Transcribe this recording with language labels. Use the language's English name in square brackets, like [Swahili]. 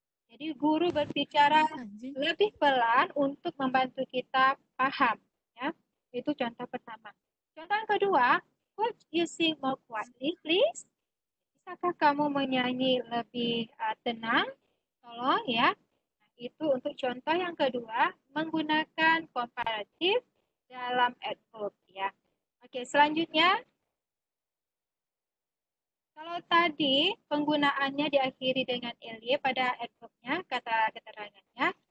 [Indonesian] Jadi guru berbicara lebih pelan untuk membantu kita paham, ya. Itu contoh pertama. Contoh kedua, [English] could you sing more quietly, please? [Indonesian] Bisakah kamu menyanyi lebih tenang? Tolong ya. Nah, itu untuk contoh yang kedua, menggunakan komparatif dalam adverb ya. Oke, selanjutnya. Kalau tadi penggunaannya diakhiri dengan ly pada adverbnya, kata keterangannya.